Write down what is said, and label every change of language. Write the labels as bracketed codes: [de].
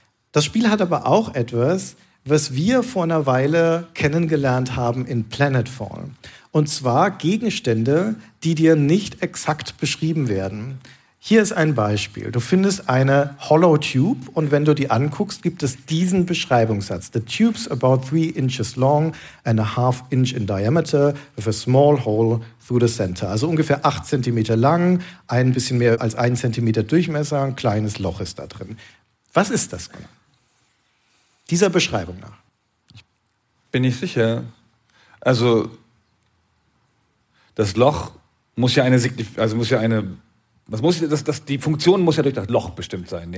[de] Das Spiel hat aber auch etwas, was wir vor einer Weile kennengelernt haben in Planetfall. Und zwar Gegenstände, die dir nicht exakt beschrieben werden. Hier ist ein Beispiel. Du findest eine Hollow Tube und wenn du die anguckst, gibt es diesen Beschreibungssatz. [en] The tube's about 3 inches long and a half inch in diameter with a small hole through the center. [de] Also ungefähr 8 Zentimeter lang, ein bisschen mehr als 1 Zentimeter Durchmesser, ein kleines Loch ist da drin. Was ist das genau? Dieser Beschreibung nach. Ich bin nicht sicher. Also, das Loch muss ja eine die Funktion muss ja durch das Loch bestimmt sein.